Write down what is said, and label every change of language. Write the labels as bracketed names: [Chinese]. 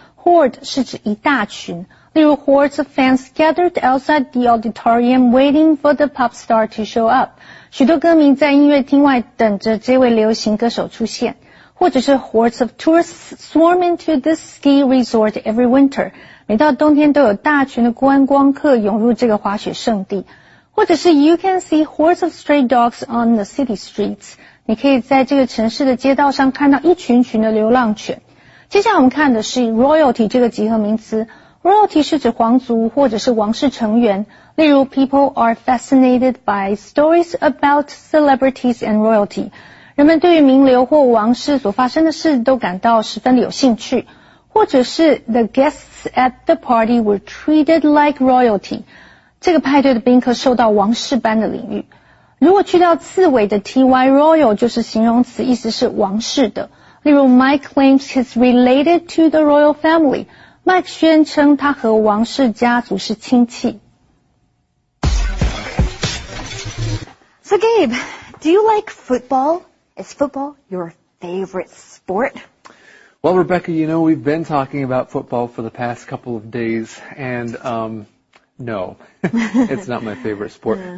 [English] horde [Chinese] 是指一大群，例如 [English] hordes of fans gathered outside the auditorium waiting for the pop star to show up. [Chinese] 许多歌迷在音乐厅外等着这位流行歌手出现，或者是 [English] hordes of tourists swarm into this ski resort every winter. [Chinese] 每到冬天都有大群的观光客涌入这个滑雪圣地。或者是 [English] you can see hordes of stray dogs on the city streets. [Chinese] 你可以在这个城市的街道上看到一群群的流浪犬。接下来我们看的是 royalty 这个集合名词。royalty 是指皇族或者是王室成员。例如 [English] people are fascinated by stories about celebrities and royalty. [Chinese] 人们对于名流或王室所发生的事都感到十分有兴趣。或者是 [English] the guests at the party were treated like royalty. [Chinese] 这个派对的宾客受到王室般的礼遇。如果去掉刺尾的 ty, royal 就是形容词，意思是王室的。例如 [English] Mike claims he's related to the royal family. [Chinese] Mike 宣称他和王室家族是亲戚。 [English] So Gabe, do you like football? Is football your favorite sport? Well, Rebecca, you know, we've been talking about football for the past couple of days and, No, it's not my favorite sport. Yeah.